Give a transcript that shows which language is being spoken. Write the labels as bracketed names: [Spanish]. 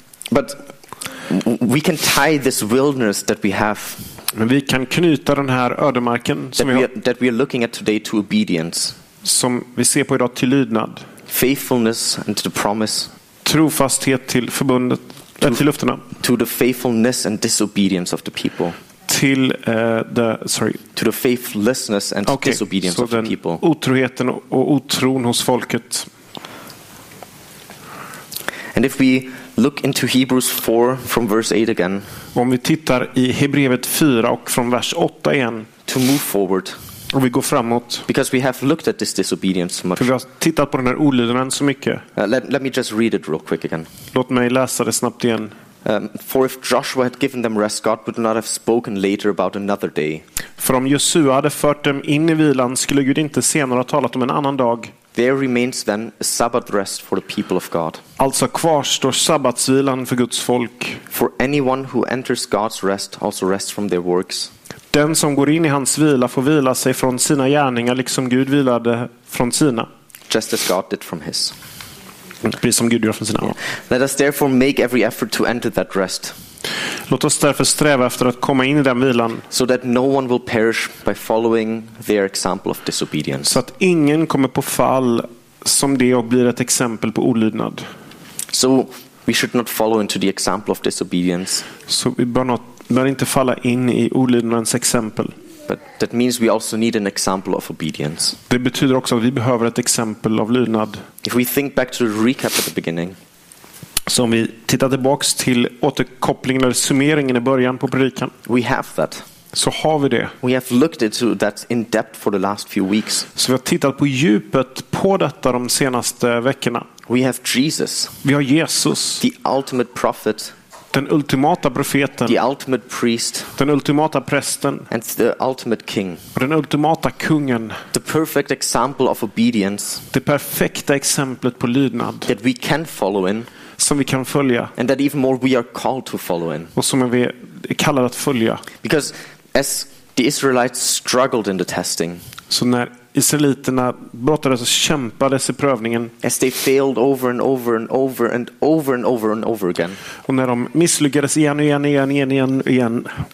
[English] But we can tie this wilderness that we have. [Swedish] Men vi kan knyta den här ödemarken som [English] that we are looking at today to obedience. [Swedish] som vi ser på idag till lydnad. [English] Faithfulness and to the promise. [Swedish] Trofasthet till förbundet, till löftena. [English] To the faithfulness and disobedience of the people. Till the sorry. To the faithlessness and okay, disobedience of the people. [Swedish] Otroheten och otron hos folket. [English] And if we look into Hebrews 4 from verse 8 again. [Swedish] Om vi tittar i Hebreerbrevet 4 och från vers 8 igen. [English] To move forward. [Swedish] Och vi går framåt. [English] Because we have looked at this disobedience so much. [Swedish] För vi har tittat på den här olydnaden så mycket. [English] Let me just read it real quick again. [Swedish] Låt mig läsa det snabbt igen. [English] For if Joshua had given them rest, God would not have spoken later about another day. [Swedish] För om Josua hade fört dem in i vilan skulle Gud inte senare ha talat om en annan dag. [English] There remains then a Sabbath rest for the people of God. [Swedish] Alltså kvarstår sabbatsvilan för Guds folk. [English] For anyone who enters God's rest also rests from their works. [Swedish] Den som går in i hans vila får vila sig från sina gärningar liksom Gud vilade från sina. [English] Just as God did from his. [Swedish] Precis som Gud gör från sina. [English] Yeah. Let us therefore make every effort to enter that rest. [Swedish] Låt oss därför sträva efter att komma in i den vilan. [English] So that no one will perish by following their example of disobedience. [Swedish] Så att ingen kommer på fall som det och blir ett exempel på olydnad. [English] So we should not follow into the example of disobedience. [Swedish] Så vi bör not men inte falla in i olydnadens exempel. [English] But that means we also need an example of obedience. [Swedish] Det betyder också att vi behöver ett exempel av lydnad. [English] If we think back to the recap at the beginning. [Swedish] Så om vi tittar tillbaks till återkopplingen eller summeringen i början på predikan. [English] We have that. [Swedish] Så har vi det. [English] We have looked into that in depth for the last few weeks. [Swedish] Så vi har tittat på djupet på detta de senaste veckorna. [English] We have Jesus. [Swedish] Vi har Jesus. [English] The ultimate prophet. [Swedish] Den ultimata profeten, [English] the ultimate priest, [Swedish] den ultimata prästen, [English] and the ultimate king, [Swedish] den ultimata kungen, [English] the perfect example of obedience, [Swedish] det perfekta exemplet på lydnad, [English] that we can follow in, [Swedish] som vi kan följa, [English] and that even more we are called to follow in, [Swedish] och som vi är kallade att följa, [English] because as the Israelites struggled in the testing, [Swedish] så när israeliterna brottades och kämpades i prövningen. [English] As they failed over and over and over and over and over and over again. [Swedish] Och när de misslyckades igen och igen och igen och igen och igen.